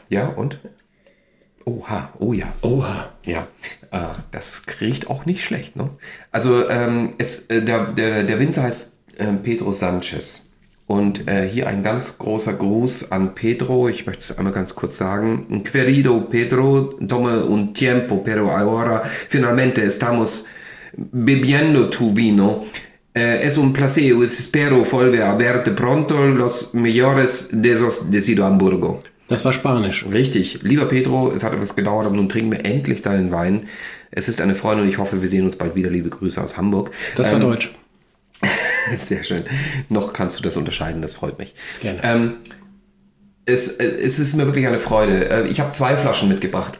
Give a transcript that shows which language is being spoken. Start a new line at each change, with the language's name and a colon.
German: Ja, und? Oha, oh ja. Oha. Ja, das riecht auch nicht schlecht, ne? Also der Winzer heißt Pedro Sanchez. Und hier ein ganz großer Gruß an Pedro. Ich möchte es einmal ganz kurz sagen.
Spanish: Querido Pedro, tome un tiempo, pero ahora finalmente estamos bebiendo tu vino. Es un placer, espero volver a verte pronto los mejores desos de Sido Hamburgo.
German: Das war Spanisch. Richtig. Lieber Pedro, es hat etwas gedauert, aber nun trinken wir endlich deinen Wein. Es ist eine Freude und ich hoffe, wir sehen uns bald wieder. Liebe Grüße aus Hamburg. Das war Deutsch. Sehr schön. Noch kannst du das unterscheiden, das freut mich. Gerne. Es ist mir wirklich eine Freude. Ich habe zwei Flaschen mitgebracht.